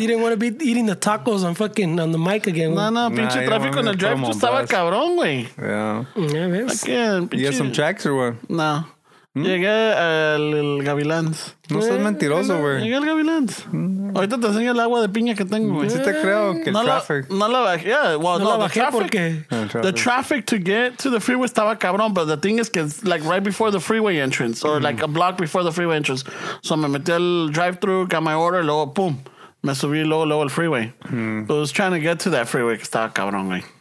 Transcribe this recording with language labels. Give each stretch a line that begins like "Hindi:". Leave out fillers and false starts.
English: you didn't want to be eating the tacos on fucking on the mic again.
Spanish: No, pinche tráfico en el drive-thru estaba cabrón, güey.
English: Yeah.
Spanish: Yeah, ves.
English: You have some checks or what?
Spanish: No. Llegué al Gavilán's. No seas mentiroso, güey. Llegué al Gavilán's. Ahorita te enseño el agua de piña que tengo, güey. Sí te creo que el traffic. No la bajé porque...
English: The traffic to get to the freeway
Spanish: estaba cabrón,
English: but the thing is
Spanish: que
English: it's like right before the freeway entrance, or like a block before the freeway entrance.
Spanish: So me metí al drive-thru,
English: got my order,
Spanish: luego pum, me subí luego al freeway.
English: I was trying to get to that freeway
Spanish: que estaba cabrón,
English: güey.